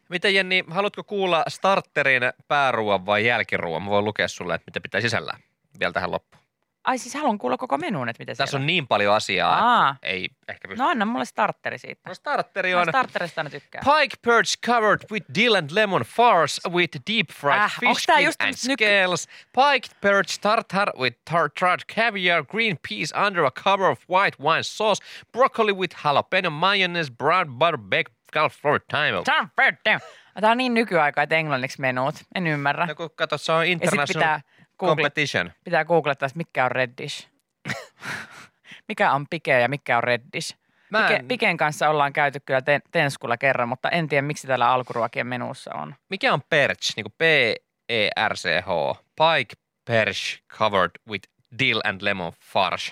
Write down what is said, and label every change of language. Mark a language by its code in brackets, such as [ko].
[fi] Miten Jenni, haluatko kuulla starterin pääruoan vai jälkiruoan? Mä voin lukea sulle, että mitä pitää sisällään vielä tähän loppuun. Ai siis haluan kuulla koko menuun, että mitä tässä on niin paljon asiaa, ei ehkä pysty. No anna mulle starteri siitä. No starteri on. No starterista aina tykkään. [en] Pike perch covered with dill and lemon farce with deep fried fish skin and scales. Pike perch tartar with tartar caviar, green peas under a cover of white wine sauce, broccoli with jalapeno mayonnaise, brown butter baked cauliflower thyme. [fi] Tämä on niin nykyaikaa, että englanniksi menut. En ymmärrä. No kun katso, se on international. Ja sit pitää [en] Competition. [fi] Pitää googlettaa, että mikä on reddish. Mikä on pike ja mikä on reddish. Piken kanssa ollaan käyty kyllä tenskulla kerran, mutta en tiedä, miksi täällä alkuruokien menussa on. Mikä on perch? Niin kuin P-E-R-C-H. [en] Pike perch covered with dill and lemon farsh.